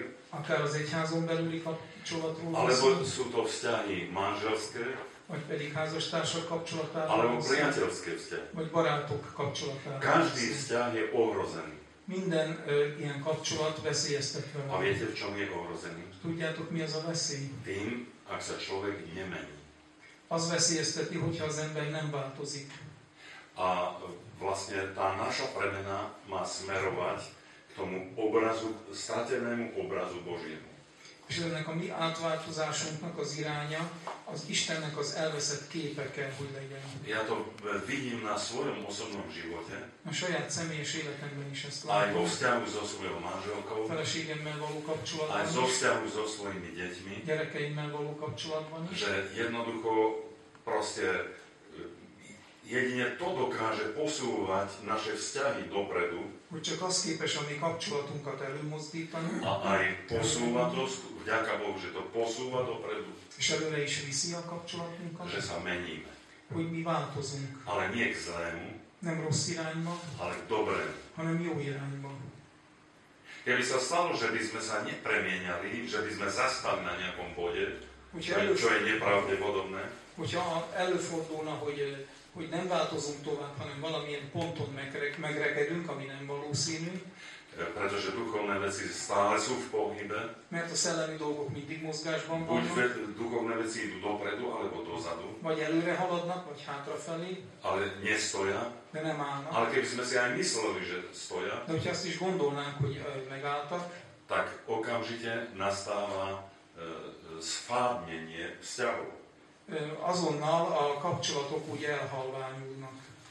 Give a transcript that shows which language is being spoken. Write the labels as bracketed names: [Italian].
[Hungarian] Akár az egyházon belüli kapcsolatról. [Slovak] Alebo sú to vzťahy manželské. [Hungarian] Vagy pedig házastársak kapcsolatára. [Slovak] Alebo priateľské vzťahy. [Hungarian] Vagy barátok kapcsolatára. [Slovak] Každý vzťah je ohrozený. [Hungarian] Minden ilyen kapcsolat veszélyeztetve van. [Slovak] A viete, v čom je ohrozený? [Hungarian] Tudjátok, mi az a veszély? [Slovak] Tým, ak sa človek nemení. [Hungarian] Az veszélyezteti, hogyha az ember nem változik. [Slovak] A vlastne tá naša premena má smerovať k tomu obrazu, stratenému obrazu Božiemu. [Hungarian] És ennek a mi átváltozásunknak az iránya, az Istennek az elveszett képe kell, hogy legyen. [Slovak] Ja to vidím na svojom osobnom živote. [Hungarian] A saját személyes életemben is ezt látom. [Slovak] Aj vo vzťahu so svojou manželkou. [Hungarian] Feleségemmel való kapcsolatban. [Slovak] Aj so vzťahu so svojimi deťmi. [Hungarian] Gyerekeimmel való kapcsolatban is. [Slovak] Že jednoducho proste jedine to dokáže posúvať naše vzťahy dopredu. [Hungarian] Hogy csak az képes a mi kapcsolatunkat előmozdítani. [Slovak] A aj posúva to, vďaka Bohu, že to posúva dopredu. [Hungarian] És előre is viszi a kapcsolatunkat. [Slovak] Že sa meníme. [Hungarian] Hogy mi változunk. [Slovak] Ale nie k zlému. [Hungarian] Nem rossz irányba. [Slovak] Ale k dobré. [Hungarian] Hanem jó irányba. [Slovak] Keby sa stalo, že by sme sa nepremieniali, že by sme zastali na nejakom bode, čo je nepravdepodobné. [Hungarian] Hogyha előfordulna, hogy nem változunk tovább, hanem valamilyen ponton megregedünk, ami nem valószínű. [Slovak] Pretože duchovné veci stále sú v pohybe. [Hungarian] Mert a szellemi dolgok mindig mozgásban vannak. [Slovak] Buď duchovné veci idú dopredu, alebo dozadu. [Hungarian] Vagy előre haladnak, vagy hátrafelé. [Slovak] Ale nestoja. [Hungarian] De nem állnak. [Slovak] Ale keby sme si aj mysleli, že stoja. [Hungarian] De hogyha azt is gondolnánk, hogy megálltak. [Slovak] Tak okamžite nastáva sfádnenie vzťahu. [Hungarian] Azonnal a kapcsolatok úgy elhalványulnak.